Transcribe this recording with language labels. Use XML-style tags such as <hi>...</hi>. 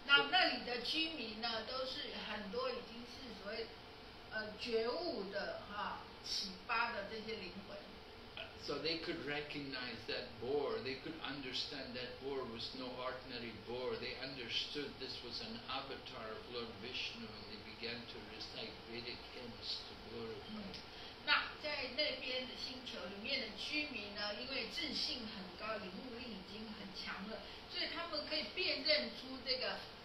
<zh>那里的居民呢，都是很多已经是所谓觉悟的哈，启发的这些灵魂。</zh> <en>So they could recognize that boar. They could understand that boar was no ordinary boar. They understood this was an avatar of Lord Vishnu, and they began to recite Vedic hymns to glorify.</en> <zh>那在那边的星球里面的居民呢，因为自信很高，领悟力已经很强了，所以他们可以辨认出这个。</zh>